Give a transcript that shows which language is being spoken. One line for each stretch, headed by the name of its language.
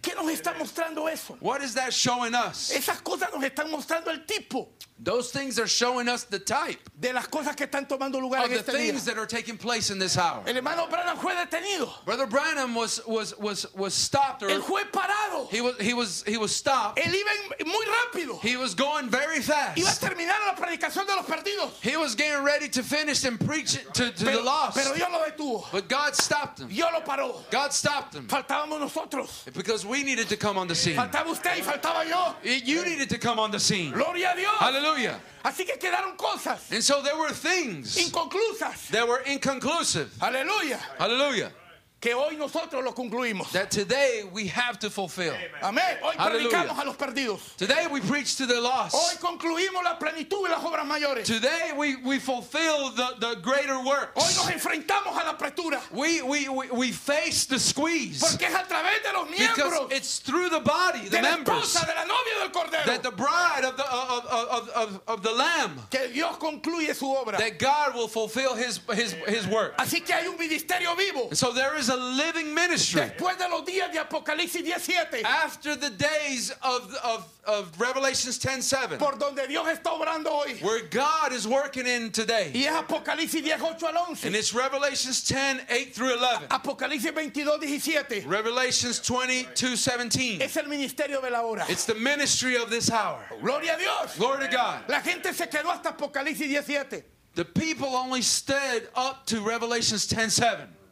Spanish: ¿Qué nos está mostrando eso?
English: What is that showing us?
Spanish: Esas cosas nos están mostrando el tipo.
English: Those things are showing us the type.
Spanish: De las cosas que están tomando lugar en este día.
English: Of the things that are taking place in this hour.
Spanish: El hermano Branham fue detenido.
English: Brother Branham was stopped.
Spanish: El juez parado.
English: He was stopped.
Spanish: Él iba muy rápido.
English: He was going very fast.
Spanish: Iba a terminar la predicación de los perdidos.
English: He was getting ready to finish and preach to the lost.
Spanish: Pero Dios lo detuvo.
English: But God stopped him.
Spanish: Dios lo paró.
English: God stopped him.
Spanish: Faltábamos nosotros.
English: Because we needed to come on the scene.
Spanish: Faltaba usted y faltaba yo.
English: You needed to come on the scene.
Spanish: Gloria a Dios.
English: Hallelujah.
Spanish: Así que quedaron cosas.
English: And so there were things.
Spanish: Inconclusas.
English: That were inconclusive. Hallelujah. Hallelujah.
Spanish: Que hoy nosotros lo concluimos.
English: That today we have to fulfill.
Spanish: Amén. Hoy predicamos a los perdidos.
English: Today we preach to the lost.
Spanish: Hoy concluimos la plenitud y las obras mayores.
English: Today we fulfill the greater works.
Spanish: Hoy nos enfrentamos a la apretura.
English: We face the squeeze.
Spanish: Porque es a través de los miembros.
English: Because it's through the body, the members.
Spanish: De la esposa, de la novia del cordero.
English: That the bride of the lamb.
Spanish: Que Dios concluye su obra.
English: That God will fulfill his work.
Spanish: Así que hay un ministerio vivo.
English: And so there is a living ministry.
Spanish: Después de los días de Apocalipsis 17.
English: After the days of Revelations 10:7.
Spanish: Por donde Dios está obrando hoy.
English: Where God is working in today.
Spanish: Y es Apocalipsis 10:8-11.
English: And it's Revelations 10:8-11.
Spanish: Apocalipsis 22:17.
English: Revelations 22:17.
Spanish: Es el ministerio de la hora.
English: It's the ministry of this hour.
Spanish: Gloria a Dios.
English: Glory to God.
Spanish: La gente se quedó hasta Apocalipsis 17.
English: The people only stayed up to Revelations 10:7.